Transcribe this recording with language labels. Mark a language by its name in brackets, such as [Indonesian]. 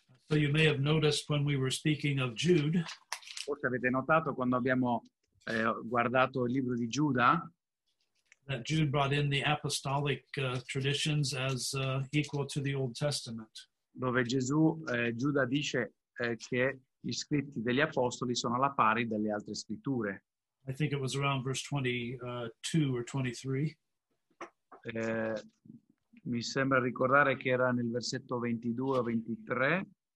[English] So you may have noticed when we were speaking of Jude. [Italian] Forse avete notato quando abbiamo guardato il libro di Giuda. [English] That Jude brought in the apostolic traditions as equal to the Old Testament. [Italian] Dove Gesù, Giuda dice che gli scritti degli apostoli sono alla pari delle altre scritture. [English] I think it was around verse 22 or 23. [Italian] Mi sembra ricordare che era nel versetto 22 o 23.